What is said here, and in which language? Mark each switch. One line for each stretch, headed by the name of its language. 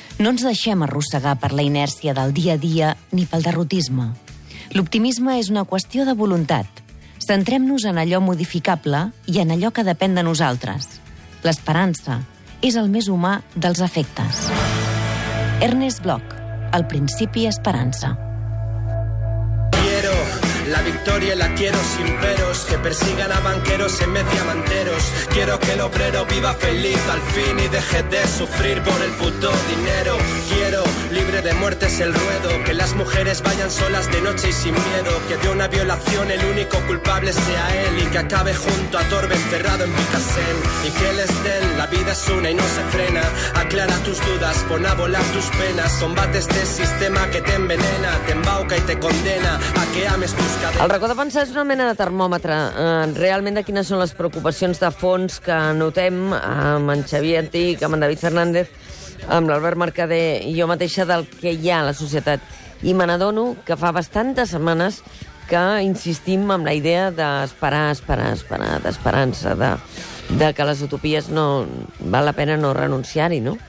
Catalan: No ens deixem arrossegar per la inèrcia del dia a dia ni pel derrotisme. L'optimisme és una qüestió de voluntat. Centrem-nos en allò modificable i en allò que depèn de nosaltres. L'esperança és el més humà dels efectes. Ernest Bloch, el principi esperança.
Spanish: Quiero la victoria, la quiero sin peros, que persigan a banqueros en vez de amanteros. Quiero que el obrero viva feliz al fin y deje de sufrir por el puto dinero. Quiero libre de muertes el ruedo, que las mujeres vayan solas de noche y sin miedo, que de una violación el único culpable sea él y que acabe junto a Torbe encerrado en Picassel. Y que les den, la vida es una y no se frena, aclara tus dudas, pon a volar tus penas, combate este sistema que te envenena, te embauca y te condena a que ames tus cadenas.
Catalan: El racó de pensar és una mena de termòmetre realment de quines són les preocupacions de fons que notem amb en Xavier Antic, amb en David Fernández, amb l'Albert Mercader i jo mateixa, del que hi ha a la societat. I me n'adono que fa bastantes setmanes que insistim en la idea d'esperar, esperar, esperar, d'esperança, de que les utopies no val la pena no renunciar-hi, no?